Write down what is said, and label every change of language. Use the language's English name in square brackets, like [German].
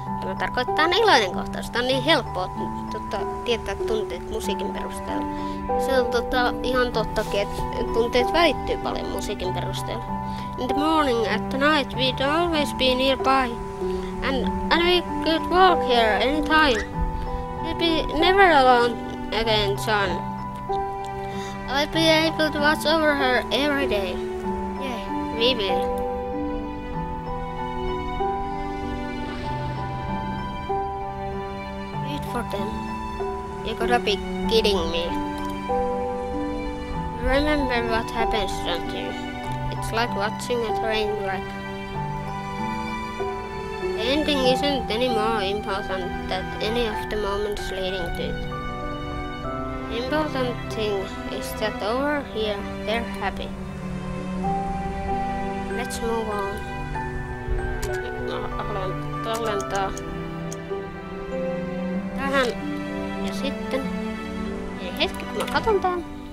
[Finnish] Tämä tarkoittaa iloinen kohtaus. Tämä on niin helppoa tietää tunteet musiikin perusteella. Se on ihan tottakin, että tunteet väittyy paljon musiikin perusteella. [English] In the morning, at the night, we'd always be nearby. And we could walk here anytime. You'd be never alone again, son. I'd be able to watch over her every day. Yeah, we will. Wait for them. You gotta be kidding me. Remember what happens, don't you? It's like watching a train wreck. The ending isn't any more important than any of the moments leading to it. The important thing is that over here, they're happy. Let's move on. [Finnish] Mä haluan tallentaa tähän. Ja sitten... Eli hetki, kun mä katon tämän.